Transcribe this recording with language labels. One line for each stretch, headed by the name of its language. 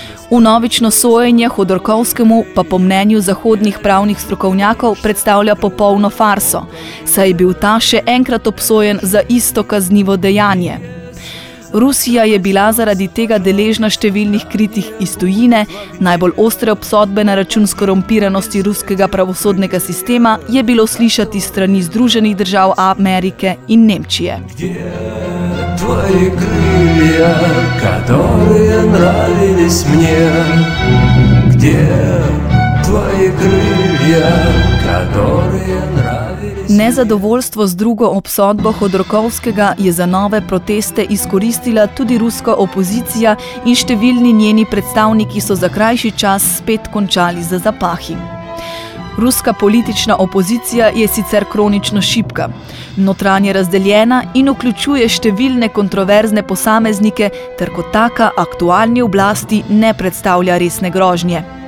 Slovenian: Vnovično sojenje Hodorkovskemu pa po mnenju zahodnih pravnih strokovnjakov predstavlja popolno farso, saj je bil ta še enkrat obsojen za isto kaznivo dejanje. Rusija je bila zaradi tega deležna številnih kritik iz tujine, najbolj ostre obsodbe na račun skorumpiranosti ruskega pravosodnega sistema je bilo slišati strani Združenih držav Amerike in Nemčije.
Russian: Твои крылья, которые нравились мне, где твои крылья, которые нравились.
Slovenian: Nezadovoljstvo z drugo obsodbo Hodorkovskega je za nove proteste izkoristila tudi ruska opozicija in številni njeni predstavniki so za krajši čas spet končali za zapahi. Ruska politična opozicija je sicer kronično šibka, notranje razdeljena in vključuje številne kontroverzne posameznike, ter kot taka aktualni oblasti ne predstavlja resne grožnje.